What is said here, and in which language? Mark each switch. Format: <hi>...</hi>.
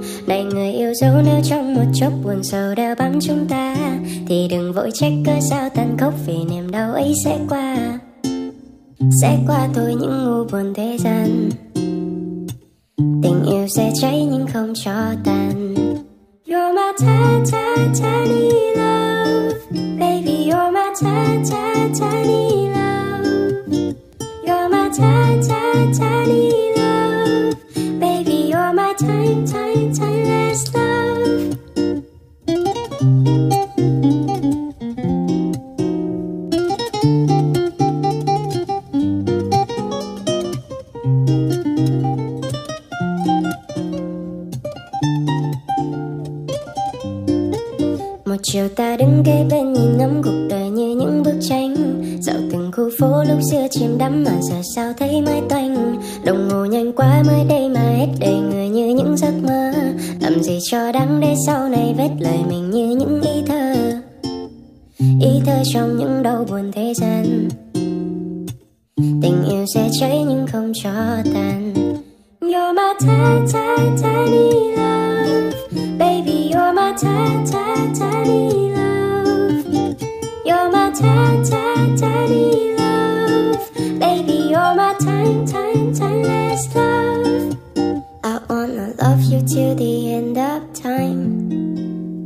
<vi>Đầy người yêu dấu nếu trong một chốc buồn sầu đeo bám chúng ta, thì đừng vội trách cớ sao tàn khốc, vì niềm đau ấy sẽ qua. Sẽ qua thôi những ngu buồn thế gian, tình yêu sẽ cháy nhưng không cho tàn.</vi> <en>You're my tiny love, baby you're my tiny love. You're my tiny love, baby you're my timeless love.</en> <vi>Chiều ta đứng kế bên nhìn ngắm cuộc đời như những bức tranh, dạo từng khu phố lúc xưa chìm đắm mà giờ sao thấy mãi toanh. Đồng hồ nhanh quá mới đây mà hết đầy người như những giấc mơ, làm gì cho đáng để sau này vết lời mình như những ý thơ. Ý thơ trong những đau buồn thế gian, tình yêu sẽ cháy nhưng không cho tàn.</vi> <en>You're my tiny love, baby you're my tiny love. You're my tiny love, baby you're my timeless love. I wanna love you till the end of time.</en>